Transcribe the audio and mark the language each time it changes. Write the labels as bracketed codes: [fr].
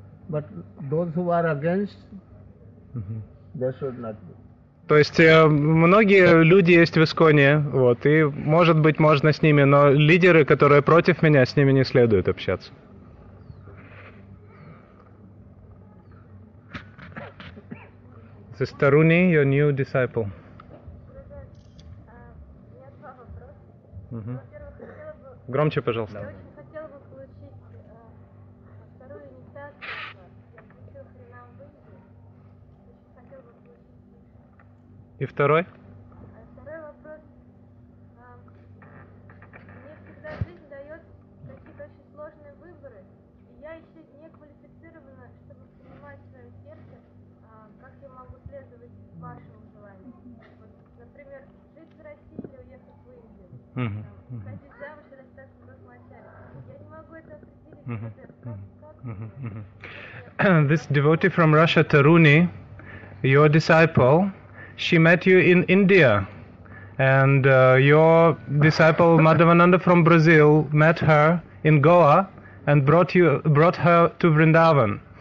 [en] But those who are against, they should not be. [ru] То есть многие люди есть в Исконе, вот, и может быть можно с ними, но лидеры, которые против меня, с ними не следует общаться. Это [en] Таруни, your new disciple. [ru] Я два вопроса. Во-первых, хотела бы... Громче, пожалуйста. Я очень хотела бы получить вторую инициацию, я хочу хренам выйти. И второй? А второй вопрос. Мне всегда жизнь дает какие-то очень сложные выборы. И я еще не квалифицирована, чтобы понимать свое сердце, как я могу следовать вашему желанию. Вот, например, жить в России или уехать в Индию. Ходить замуж или остаться в Брахмачари. Я не могу это определить. Как? [en] This devotee from Russia, Taruni, your disciple, she met you in India, and your disciple Madhavananda from Brazil met her in Goa and brought her to Vrindavan.